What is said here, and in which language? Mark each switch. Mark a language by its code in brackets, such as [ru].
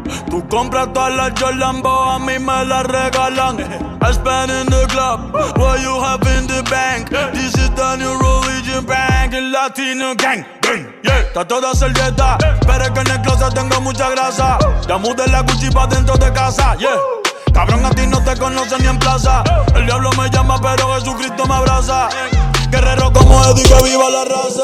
[es] Tú compras todas las Jolambo, a mí me las regalan. [en] I spend in the club, what you have in the bank. This is the new religion bank, [es] el latino gang. Está toda servieta, pero es que en el closet tengo mucha grasa. Ya mudé la Gucci pa' dentro de casa, yeah. Cabrón, a ti no te conocen ni en plaza. El diablo me llama pero Jesucristo me abraza. Guerrero como Eddie, que viva la raza.